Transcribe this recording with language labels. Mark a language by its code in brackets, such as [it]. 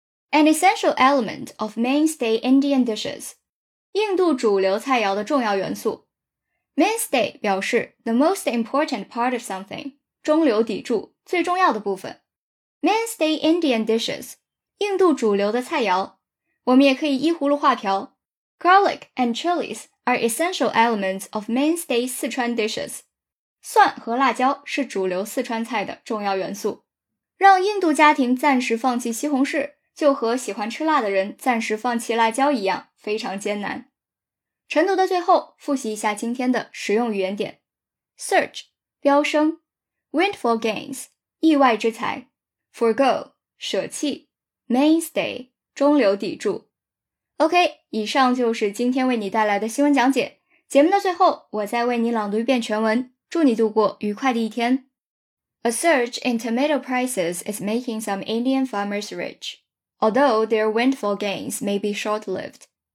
[en] An essential element of mainstay Indian dishes. [zh] 印度主流菜肴的重要元素。 [en] Mainstay [zh] 表示 [en] the most important part of something, [zh] 中流砥柱，最重要的部分。 [en] Mainstay Indian dishes, [zh] 印度主流的菜肴。我们也可以依葫芦画瓢。 [en] Garlic and chilies are essential elements of mainstay 四川 dishes. [zh] 蒜和辣椒是主流四川菜的重要元素。让印度家庭暂时放弃西红柿，就和喜欢吃辣的人暂时放弃辣椒一样，非常艰难。晨读的最后，复习一下今天的实用语言点。 Search, 飙升。Windfall gains, 意外之财。 Forgo, 舍弃。Mainstay, 中流砥柱。 OK, 以上就是今天为你带来的新闻讲解。节目的最后，我再为你朗读一遍全文，祝你度过愉快的一天。 [en] A surge in tomato prices is making some Indian farmers rich. Although their windfall gains may be short-lived.